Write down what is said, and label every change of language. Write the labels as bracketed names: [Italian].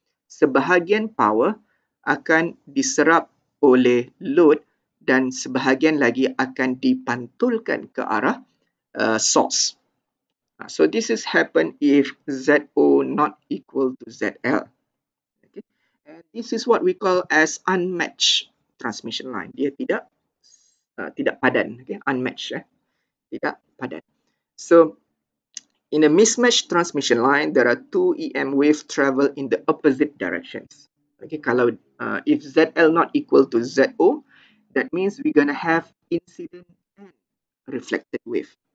[Malay] Sebahagian power akan diserap oleh load dan sebahagian lagi akan dipantulkan ke arah source. [English] So this is happen if ZO not equal to ZL. Okay. And this is what we call as unmatched transmission line. [Malay] Dia tidak tidak padan, okay? Unmatched, tidak padan. [English] So in a mismatched transmission line, there are two EM wave travel in the opposite directions. Okay, [Malay] kalau [English] if ZL not equal to ZO, that means we're gonna have incident and reflected wave.